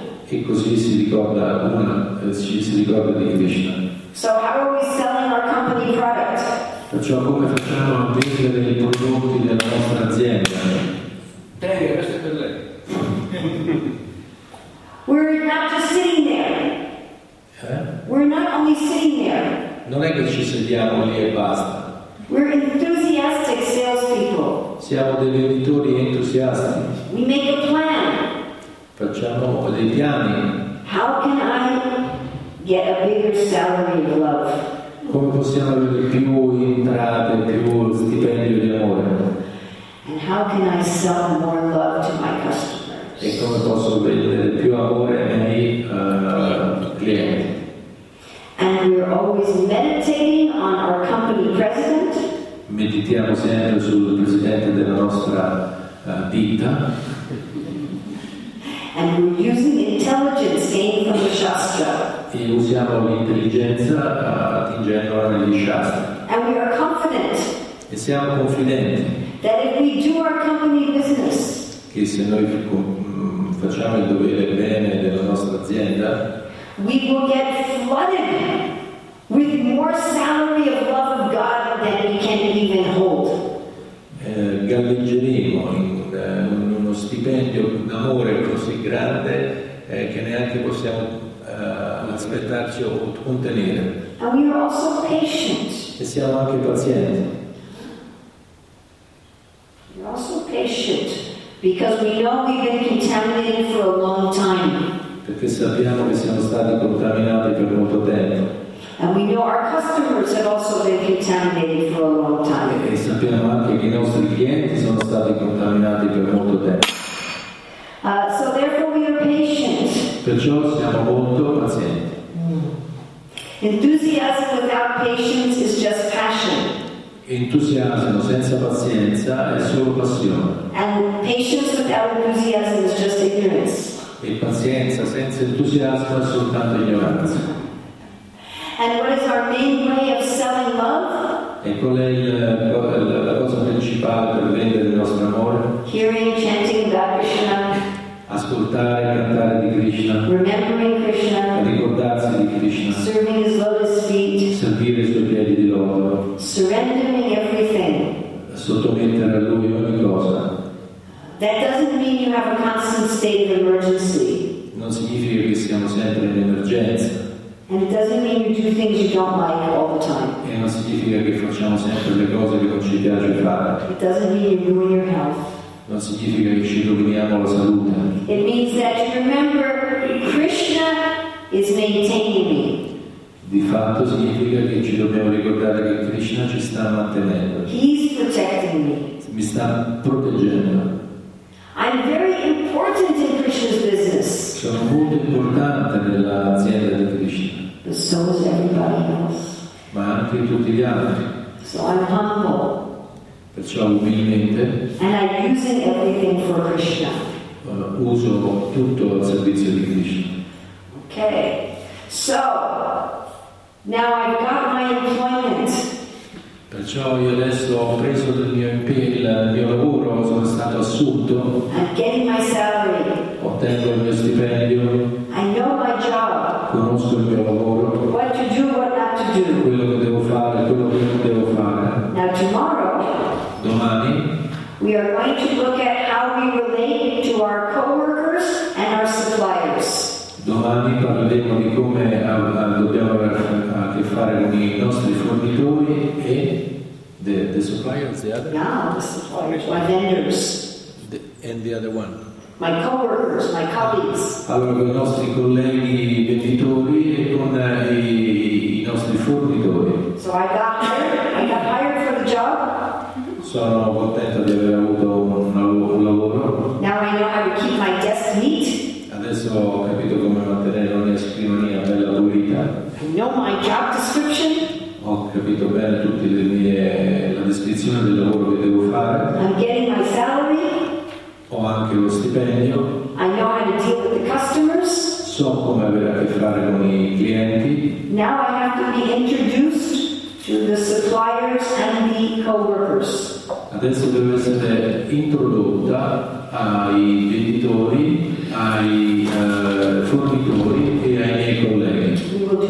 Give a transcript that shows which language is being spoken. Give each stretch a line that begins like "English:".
Italian: E così si ricorda una, si ricorda di Krishna.
English: So how are we selling our company product?
Italian: Perciò come facciamo a vendere i prodotti della nostra azienda? Tenga, questo è per lei.
English: We're not just sitting there. We're not only sitting there.
Italian: Non è che ci sediamo lì e basta.
English: We're enthusiastic salespeople.
Italian: Siamo dei venditori entusiasti.
English: We make a plan.
Italian: Facciamo dei piani.
English: How can I get a bigger salary of love?
Italian: Come possiamo avere più entrate, più stipendio di amore?
English: And how can I sell more love to my customers?
Italian: E come posso vendere più amore ai miei clienti?
English: And we're always meditating on our company president.
Italian: Meditiamo sempre sul presidente della nostra ditta.
English: And we're using intelligence gained from the shastra.
Italian: E usiamo l'intelligenza attingendola negli shastra.
English: And we are confident.
Italian: E siamo confidenti.
English: That if we do our company business.
Italian: Che se noi facciamo il dovere bene della nostra azienda.
English: We will get flooded with more salary of love of God than we can even hold.
Italian: Galleggeremo in uno stipendio d'amore così grande che neanche possiamo aspettarci o contenere.
English: And we are also patient.
Italian: E siamo anche pazienti.
English: We're also patient because we know we've been contaminated for a long time.
Italian: Perché sappiamo che siamo stati contaminati per molto tempo.
English: And we know our customers have also been contaminated for a long time.
Italian: E sappiamo anche che i nostri clienti sono stati contaminati per molto tempo.
English: So therefore we are patient.
Italian: Perciò siamo molto pazienti.
English: Enthusiasm without patience is just passion.
Italian: Entusiasmo senza pazienza è solo passione.
English: And patience without enthusiasm is just ignorance.
Italian: E pazienza senza entusiasmo è soltanto ignoranza.
English: And what is our main way of selling love?
Italian: E qual è la cosa principale per vendere il nostro amore?
English: Hearing, chanting about Krishna.
Italian: Ascoltare e cantare di Krishna.
English: Remembering Krishna.
Italian: Ricordarsi di Krishna.
English: Serving his lotus feet.
Italian: Servire i suoi piedi di loto.
English: Surrendering everything.
Italian: Sottomettere a lui ogni cosa.
English: That doesn't mean you have a constant state of emergency.
Italian: Non significa che siamo sempre in emergenza.
English: And it doesn't mean you do things you don't like all the time.
Italian: E non significa che facciamo sempre le cose che non ci piace fare.
English: It doesn't mean you ruin your health.
Italian: Non significa che ci roviniamo la salute.
English: It means that you remember Krishna is maintaining me.
Italian: Di fatto significa che ci dobbiamo ricordare che Krishna ci sta mantenendo.
English: He's protecting me.
Italian: Mi sta proteggendo.
English: I'm very important in Krishna's business.
Italian: Sono molto importante nell'azienda di Krishna.
English: But so is everybody else.
Italian: Ma anche tutti gli altri.
English: So I'm humble.
Italian: Perciò umilmente.
English: And I'm using everything for Krishna.
Italian: Uso tutto al servizio di Krishna.
English: Okay. So now I've got my employment.
Italian: Perciò io adesso ho preso del mio impegno il mio lavoro, sono stato assunto.
English: I'm getting my salary.
Italian: Ottengo il mio stipendio.
English: I know my job.
Italian: Conosco il mio lavoro.
English: What to do, what not to do.
Italian: Quello che devo fare, quello che non devo fare.
English: Now tomorrow.
Italian: Domani.
English: We are going to look at how we relate to our coworkers and our suppliers.
Italian: Domani parleremo di come dobbiamo avere a che fare con i nostri fornitori e
English: the suppliers, the other. Yeah, the suppliers, my vendors. And the other one. My coworkers, my colleagues.
Italian: Allora, con i nostri colleghi venditori e con i nostri fornitori.
English: So I got hired for the job.
Italian: Sono contento di aver avuto un lavoro.
English: Now I know how to keep my desk neat.
Italian: Adesso ho capito come mantenere una scrivania bella pulita.
English: I know my job description.
Italian: Ho capito bene tutte le mie la descrizione del lavoro che devo fare.
English: I'm getting my salary.
Italian: Ho anche lo stipendio.
English: I know how to deal with the customers.
Italian: So come avere a che fare con i clienti.
English: Now I have to be introduced to the suppliers and the coworkers.
Italian: Adesso devo essere introdotta ai venditori, ai fornitori e ai miei colleghi.